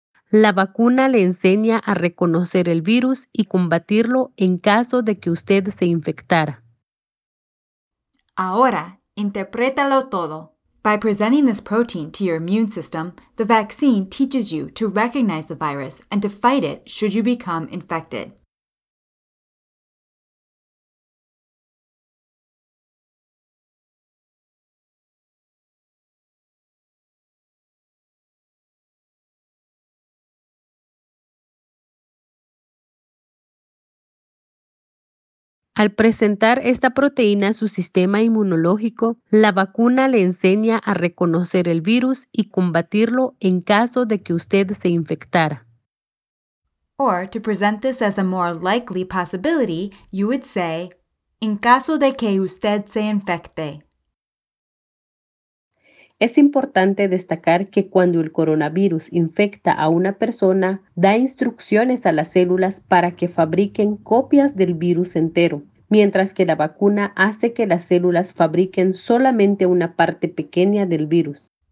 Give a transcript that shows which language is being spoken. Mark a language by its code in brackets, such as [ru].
[es] La vacuna le enseña a reconocer el virus y combatirlo en caso de que usted se infectara. Ahora, interprétalo todo. [en] By presenting this protein to your immune system, the vaccine teaches you to recognize the virus and to fight it should you become infected. [es] Al presentar esta proteína a su sistema inmunológico, la vacuna le enseña a reconocer el virus y combatirlo en caso de que usted se infectara. [en] Or, to present this as a more likely possibility, you would say, [es] en caso de que usted se infecte. Es importante destacar que cuando el coronavirus infecta a una persona, da instrucciones a las células para que fabriquen copias del virus entero, mientras que la vacuna hace que las células fabriquen solamente una parte pequeña del virus.